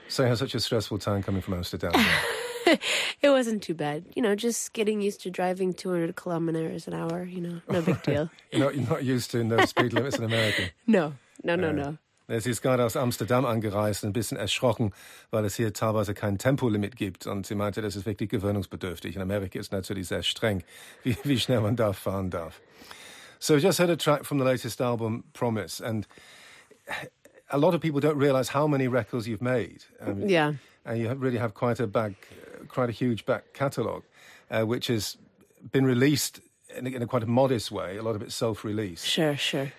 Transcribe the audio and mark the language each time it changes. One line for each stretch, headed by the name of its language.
English: So you had such a stressful time coming from Amsterdam. It wasn't too bad. You know, just getting used to driving 200 kilometers an hour, you know, no big deal. You're not used to no speed limits in America? No.
German: Es ist gerade aus Amsterdam angereist, ein bisschen erschrocken, weil es hier teilweise kein Tempolimit gibt. Und sie meinte, das ist wirklich gewöhnungsbedürftig. In Amerika ist natürlich sehr streng, wie schnell man da fahren darf.
English: So I just heard a track from the latest album, Promise. And a lot of people don't realize how many records you've made. Yeah. And you really have quite a huge back catalogue, which has been released in a quite a modest way, a lot of it self-released. Sure.